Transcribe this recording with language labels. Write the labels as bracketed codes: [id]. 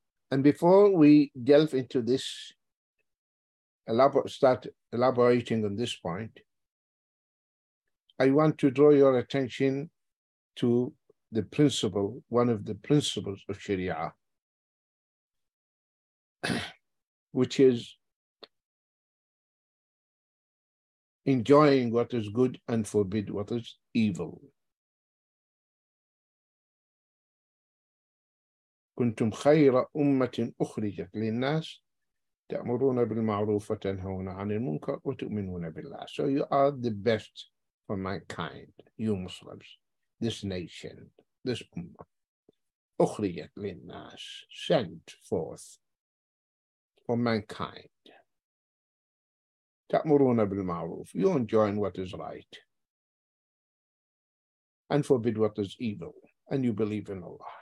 [en] And before we delve into this, start elaborating on this point, I want to draw your attention to the principle, one of the principles of Sharia, which is enjoying what is good and forbid what is evil. [ar] كنتم خير أمة أخرجت للناس تأمرون بالمعروف وتنهون عن المنكر وتؤمنون بالله. [en] So you are the best for mankind, you Muslims, this nation, this Ummah. [ar] أخرجت للناس, [en] sent forth for mankind. [ar] تأمرون بالمعروف, [en] you enjoin what is right and forbid what is evil, and you believe in Allah.